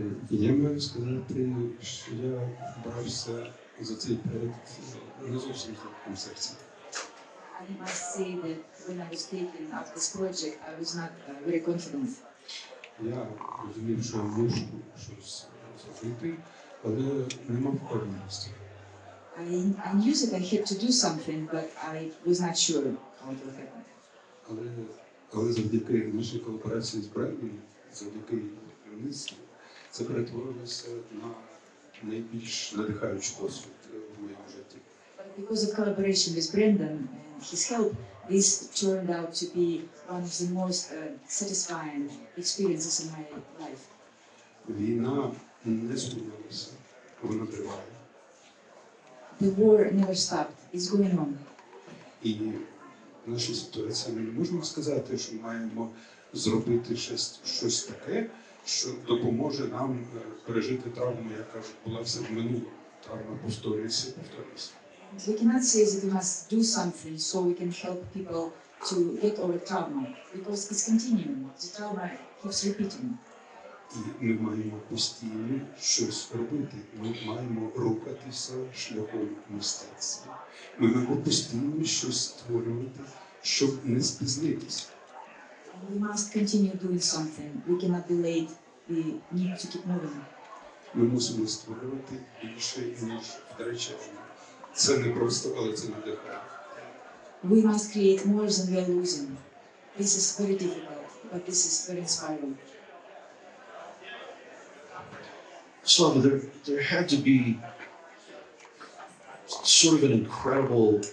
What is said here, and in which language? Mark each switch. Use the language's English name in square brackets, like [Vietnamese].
[Ukrainian] Я маю сказати, що я брався за цей проект не зовсім з легким серцем. [English] I must say that when I was taking up this project, I was not very confident. [Ukrainian] Я розумів, що можу щось зробити, але не мав впевненості. [English] I knew that I had to do something, but I was not sure how it would happen. [Ukrainian] Але завдяки нашій колаборації з Брендом, завдяки керівництву, це перетворилося на найбільш надихаючий досвід в моєму житті. [English] But because of collaboration with Brendan and his help, this turned out to be one of the most satisfying experiences in my life. [Ukrainian] Війна не зупинилася, вона триває. [English] The war never stopped, it's going on. [Ukrainian] І в нашій ситуації ми не можемо сказати, що маємо зробити щось таке, що допоможе нам пережити травму, яка ж була все в минулому. Травма повторюється, повторюється. [English] We cannot say that we must do something so we can help people to get over trauma, because it's continuing. The trauma keeps repeating. [Ukrainian] І ми маємо постійно щось робити. Ми маємо рухатися шляхом мистецтва. Ми маємо постійно щось створювати, щоб не спізнитися. [English] We must continue doing something. We cannot be late. We need to keep moving. [Ukrainian] Ми мусимо створювати більше, ніж втрачаємо. Це не просто, але це надихає. [English] We must create more than we are losing. This is very difficult, but this is very inspiring. So there had to be sort of an incredible...